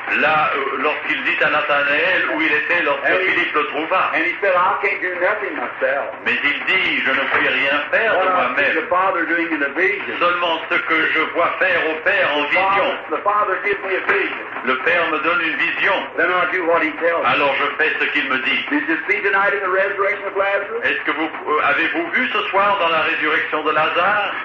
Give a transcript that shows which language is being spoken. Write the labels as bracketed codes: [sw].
[fr] Là, lorsqu'il dit à Nathanaël où il était lorsque Philippe le trouva. [en] And he said, I can't do nothing myself. [fr] Mais il dit, je ne puis rien faire de moi-même. [en] The Father doing in a vision. [fr] Seulement ce que je vois faire au Père en [en] the vision. The Father gives me a vision. [fr] Le Père me donne une vision. [en] Then I do what he tells [fr] alors [en] me. [fr] Je fais ce qu'il me dit. [en] Did you see tonight in the resurrection of Lazarus? [fr] Est-ce que vous avez-vous vu ce soir dans la résurrection de Lazare?